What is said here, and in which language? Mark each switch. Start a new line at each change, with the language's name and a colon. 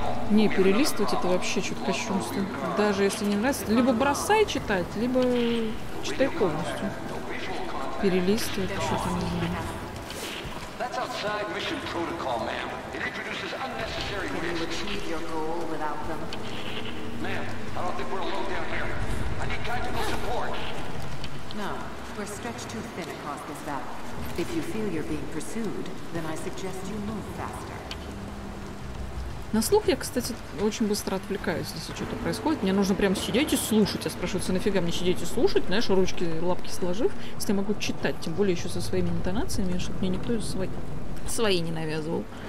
Russian: Не, перелистывать это вообще что-то кощунство. Даже если не нравится, либо бросай читать, либо читай полностью. Перелистывать, что-то не знаю.
English: No, we're stretched too thin across this valley. If you feel you're being pursued, then I suggest you move faster.
Russian: На слух я, кстати, очень быстро отвлекаюсь, если что-то происходит. Мне нужно прям сидеть и слушать. А спрашивается, нафига мне сидеть и слушать, знаешь, ручки, лапки сложив, если я могу читать, тем более еще со своими интонациями, чтобы мне никто свои не навязывал.